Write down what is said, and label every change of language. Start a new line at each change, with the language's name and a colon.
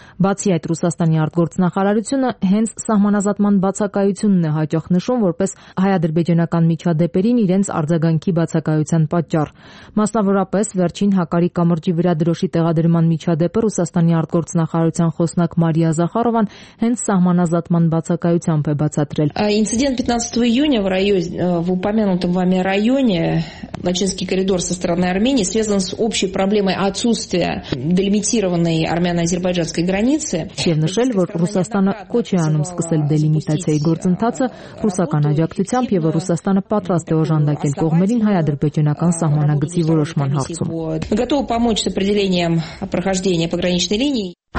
Armenian: Բացի այդ, Ռուսաստանի արտգործնախարարությունը հենց սահմանազատման բացակայությունն է հաճախ նշում որպես հայ-ադրբեջանական միջադեպերին իրենց արձագանքի բացակայության պատճառ։ Մասնավորապես, վերջին հակարի կամրջի վրա դրոշի տեղադրման միջադեպը Ռուսաստանի արտգործնախարարության խոսնակ Մարիա Զախարովան հենց սահմանազատման բացակայությամբ է բացատրել։
Russian: Ինցիդենտ 15 июня в районе в упомянутом вами районе Лачинский коридор со стороны Армении связан с общей проблемой отсутствия делимитированной армяно-азербайджанской границы.
Armenian: Չնշել, որ Ռուսաստանը ոչ է անում սկսել դելիմիտացիայի գործընթացը ռուսական աջակցությամբ, եւ Ռուսաստանը պատրաստ է օժանդակել կողմերին հայ-ադրբեջանական սահմանագծի որոշման հարցում։
Russian: Готов помочь с определением прохождения пограничной линии.